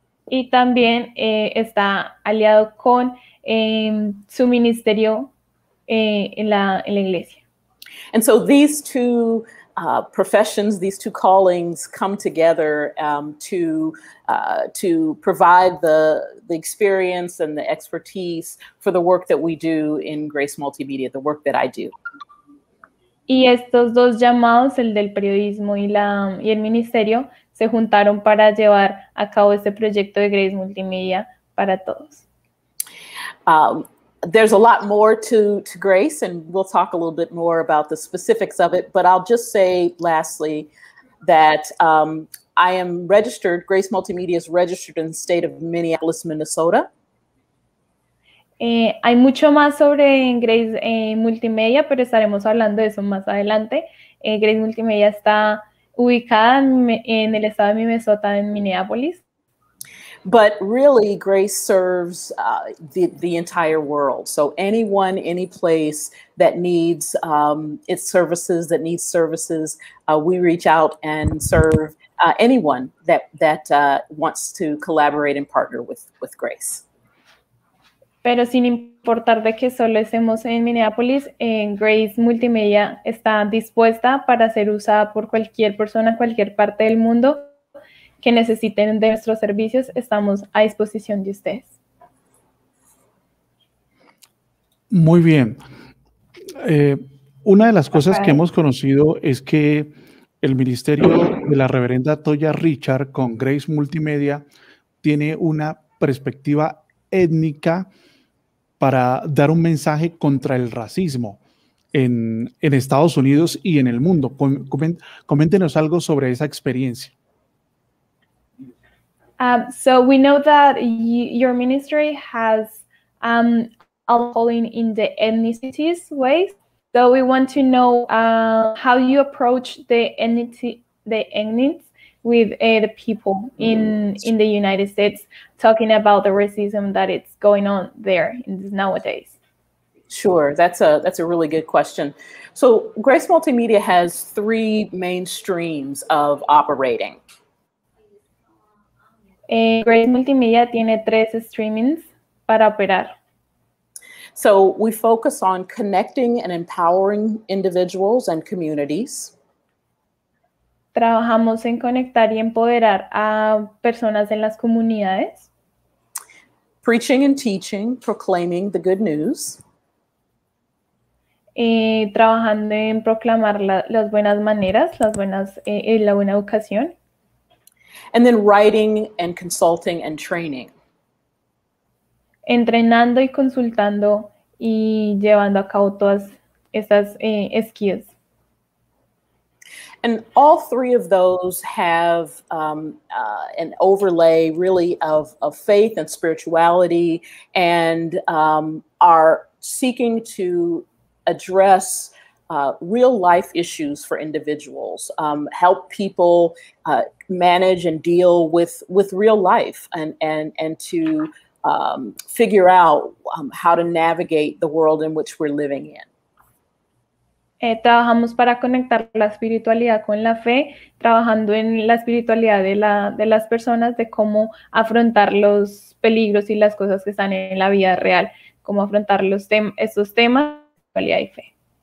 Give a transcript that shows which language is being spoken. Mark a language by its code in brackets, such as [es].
[es] Y también está aliado con su ministerio en la iglesia. [en] And so these two professions, these two callings come together to provide the experience and the expertise for the work that we do in Grace Multimedia, the work that I do. [es] Y estos dos llamados, el del periodismo y el ministerio, se juntaron para llevar a cabo este proyecto de Grace Multimedia para todos. [en] There's a lot more to Grace, and we'll talk a little bit more about the specifics of it, but I'll just say lastly that I am registered, Grace Multimedia is registered in the state of Minneapolis, Minnesota. [es] Hay mucho más sobre Grace Multimedia, pero estaremos hablando de eso más adelante. Grace Multimedia está ubicada en el estado de Minnesota, en Minneapolis. [en] But really, Grace serves the entire world. So anyone, any place that needs its services, that needs services, we reach out and serve anyone that wants to collaborate and partner with Grace. [es] Pero sin importar de que solo estemos en Minneapolis, Grace Multimedia está dispuesta para ser usada por cualquier persona, cualquier parte del mundo. Que necesiten de nuestros servicios, estamos a disposición de ustedes. Muy bien. Una de las cosas que hemos conocido es que el ministerio de la reverenda Toya Richard con Grace Multimedia tiene una perspectiva étnica para dar un mensaje contra el racismo en Estados Unidos y en el mundo. Coméntenos algo sobre esa experiencia. [en] So we know that your ministry has a calling in the ethnicities ways. So we want to know how you approach the ethnicities with the people in the United States, talking about the racism that it's going on there nowadays. Sure, that's a really good question. So Grace Multimedia has three main streams of operating. [es] Grace Multimedia tiene tres streamings para operar. [en] So we focus on connecting and empowering individuals and communities. [es] Trabajamos en conectar y empoderar a personas en las comunidades. [en] Preaching and teaching, proclaiming the good news. [es] Trabajando en proclamar las buenas maneras, la buena educación. [en] And then writing and consulting and training. [es] Entrenando y consultando y llevando a cabo todas esas skills. [en] And all three of those have an overlay really of faith and spirituality and are seeking to address real life issues for individuals, help people manage and deal with real life and to figure out how to navigate the world in which we're living in. [es] Trabajamos para conectar la espiritualidad con la fe, trabajando en la espiritualidad de las personas, de cómo afrontar los peligros y las cosas que están en la vida real, cómo afrontar estos temas, espiritualidad y fe.